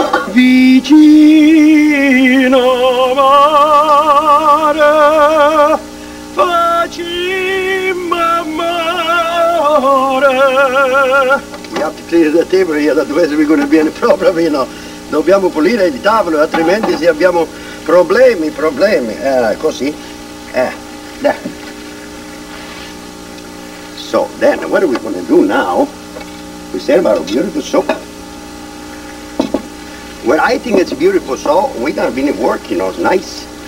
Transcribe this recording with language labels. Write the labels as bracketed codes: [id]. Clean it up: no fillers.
[nap] Vicino mare, facimma amore. [en] We have to clear the table here, otherwise we're going to be in a problem, you know. [it] Dobbiamo pulire il tavolo, altrimenti se abbiamo problemi, così. [en] There. So then, what are we going to do now? We serve our beautiful soup. Well, I think it's beautiful, so we got to be working, you know, it's nice.